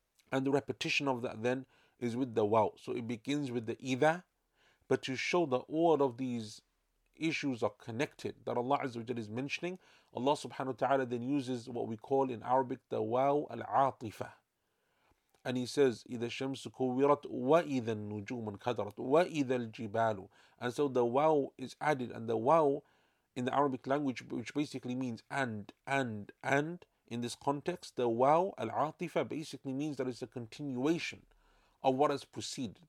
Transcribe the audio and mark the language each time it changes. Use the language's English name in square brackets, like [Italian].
[English] And the repetition of that then is with the waw. So it begins with the either, but to show that all of these issues are connected, that Allah Azza wa Jalla is mentioning, Allah subhanahu wa ta'ala then uses what we call in Arabic the waw al-atifa. And he says, [Arabic] إِذَا الشَّمْسُ كُوِّرَتْ وَإِذَا النُّجُومُ انْكَدَرَتْ وَإِذَا الْجِبَالُ. [English] And so the waw is added, and the waw in the Arabic language, which basically means and, in this context, the waw al-atifa basically means that it's a continuation of what has preceded.